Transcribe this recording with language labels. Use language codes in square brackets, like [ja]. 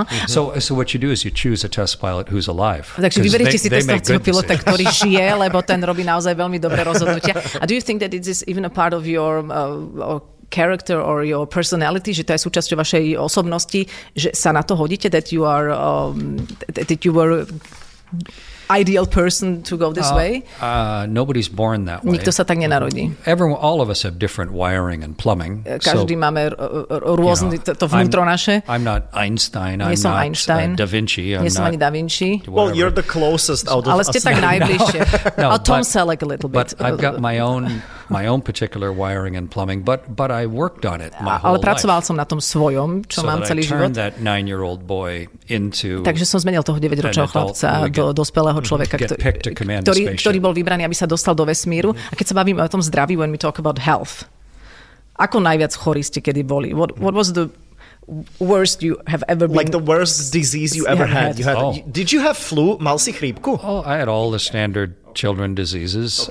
[en] So what you do is you choose a test pilot who's alive. [sk] Takže vyberiete si testovacieho pilota, ktorý žije, lebo ten robí naozaj veľmi dobré rozhodnutia. [en] A do you think that it is even a part of your character or your personality, [sk] že to je súčasťou vašej osobnosti, že sa na to hodíte, [en] that you are that you were ideal person to go this way? Nobody's born that way. [sk] Nikto sa tak nenarodí. [en] Everyone, all of us have different wiring and plumbing. [sk] Každý máme rôzne to vnútro naše. [en] I'm not Einstein. [sk] Nie som Einstein. [en] Da Vinci. [sk] Nie som ani Da Vinci. [en] Well, you're the closest out of us. [sk] Ale ste tak najbližšie. A Tom Selleck [en] a little bit. But I've got my own particular wiring and plumbing, but I worked on it my whole life. [sk] Ale pracoval som na tom svojom, čo mám celý život. [en] So I turned that 9-year-old boy into [sk] takže som zmenil toho 9-ročného chlapca do dospelého človeka, ktorý bol vybraný, aby sa dostal do vesmíru. A keď sa bavíme o tom zdraví, [en] when we talk about health, [sk] ako najviac chorí ste kedy boli? [en] What was the worst you have ever been? Like the worst disease you ever had. Did you have flu? [sk] Mal si chrípku? [en] Oh, I had all the standard children diseases.